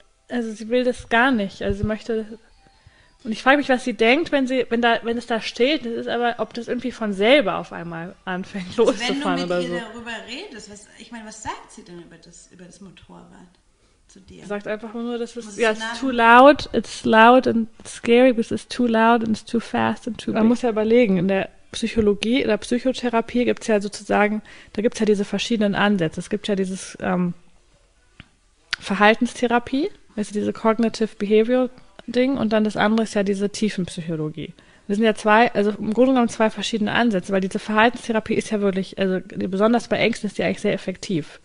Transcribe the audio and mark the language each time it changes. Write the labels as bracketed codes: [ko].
[de] Also sie will das gar nicht. Also sie möchte. Und ich frage mich, was sie denkt, wenn es da steht. Das ist aber, ob das irgendwie von selber auf einmal anfängt loszufahren oder so. Wenn du mit ihr darüber redest, was sagt sie denn über das Motorrad zu dir? Sagt einfach nur, dass es ja [en] too loud. It's loud and scary because it's too loud and it's too fast and too big. [de] Man muss ja überlegen. In der Psychologie, in der Psychotherapie gibt's ja sozusagen, da gibt's ja diese verschiedenen Ansätze. Es gibt ja dieses Verhaltenstherapie, also diese Cognitive Behavior Ding und dann das andere ist ja diese Tiefenpsychologie. Das sind ja zwei, also im Grunde genommen zwei verschiedene Ansätze, weil diese Verhaltenstherapie ist ja wirklich, also besonders bei Ängsten ist die eigentlich sehr effektiv.